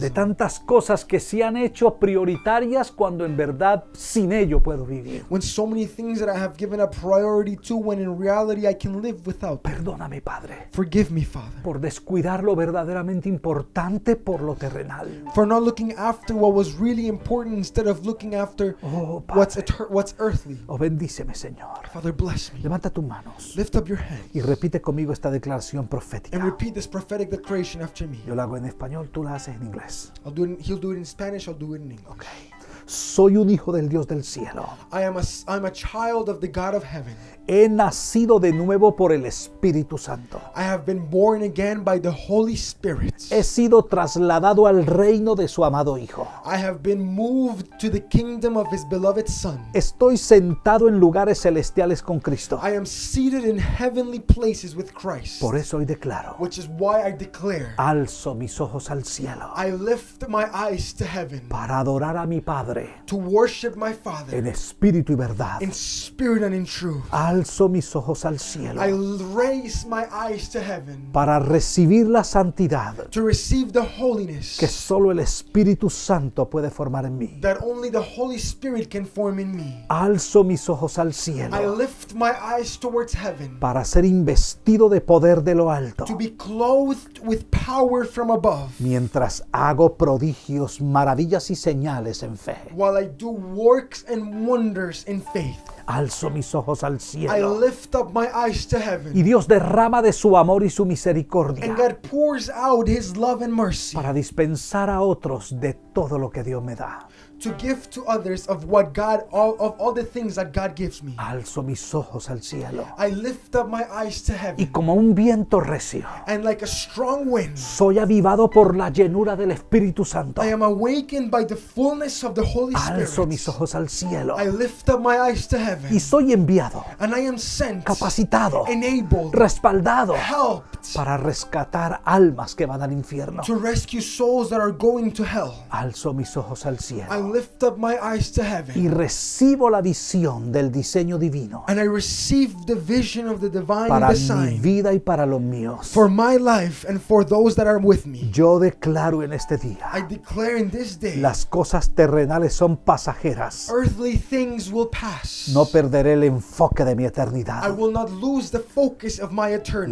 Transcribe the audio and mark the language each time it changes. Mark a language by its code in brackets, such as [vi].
[es] De tantas cosas que se han hecho prioritarias cuando en verdad sin ello puedo vivir. [en] When so many things that I have given a priority to when in reality I can live without. [es] Perdóname, Padre. [en] Forgive me, Father. [es] Por descuidar lo verdaderamente importante por lo terrenal. [en] For not looking after what was really important instead of looking after what's earthly. [es] Oh, bendíceme, Señor. [en] Father, bless me. [es] Levanta tus manos. [en] Lift up your hands. [es] Y repite conmigo esta declaración profética. [en] And repeat this prophetic declaration after me. [es] Yo la hago en español, tú la haces en inglés. [en] He'll do it in Spanish, I'll do it in English. Okay. [es] Soy un hijo del Dios del cielo. [en] I'm a child of the God of heaven. [es] He nacido de nuevo por el Espíritu Santo. [en] I have been born again by the Holy Spirit. [es] He sido trasladado al reino de su amado Hijo. [en] I have been moved to the kingdom of his beloved Son. [es] Estoy sentado en lugares celestiales con Cristo. [en] I am seated in heavenly places with Christ. [es] Por eso hoy declaro. [en] Which is why I declare. [es] Alzo mis ojos al cielo. [en] I lift my eyes to heaven. [es] Para adorar a mi Padre. [en] To worship my Father. [es] En espíritu y verdad. [en] In spirit and in truth. [es] Alzo mis ojos al cielo. [en] I raise my eyes to heaven. [es] Para recibir la santidad. [en] To receive the holiness. [es] Que solo el Espíritu Santo puede formar en mí. [en] That only the Holy Spirit can form in me. [es] Alzo mis ojos al cielo. [en] I lift my eyes towards heaven. [es] Para ser investido de poder de lo alto. [en] To be clothed with power from above. [es] Mientras hago prodigios, maravillas y señales en fe. [en] While I do works and wonders in faith. [es] Alzo mis ojos al cielo. [en] I lift up my eyes to heaven. [es] Y Dios derrama de su amor y su misericordia. [en] And God pours out his love and mercy. [es] Para dispensar a otros de todo lo que Dios me da. [en] To give to others of what God, of all the things that God gives me. [es] Alzo mis ojos al cielo. [en] I lift up my eyes to heaven. [es] Y como un viento recio. [en] And like a strong wind. [es] Soy avivado por la llenura del Espíritu Santo. [en] I am awakened by the fullness of the Holy Spirit. [es] Alzo mis ojos al cielo. [en] I lift up my eyes to heaven. [es] Y soy enviado. [en] And I am sent. [es] Capacitado. [en] Enabled. [es] Respaldado. [en] Helped. [es] Para rescatar almas que van al infierno. [en] To rescue souls that are going to hell. [es] Alzo mis ojos al cielo. [en] I lift up my eyes to heaven. [es] Y recibo la visión del diseño divino. [en] And I receive the vision of the divine [es] para [en] design. [es] Para mi vida y para los míos. [en] For my life and for those that are with me. [es] Yo declaro en este día. [en] I declare in this day. [es] Las cosas terrenales son pasajeras. [en] Earthly things will pass. [es] No perderé el enfoque de mi eternidad. [en] I will not lose the focus of my eternity.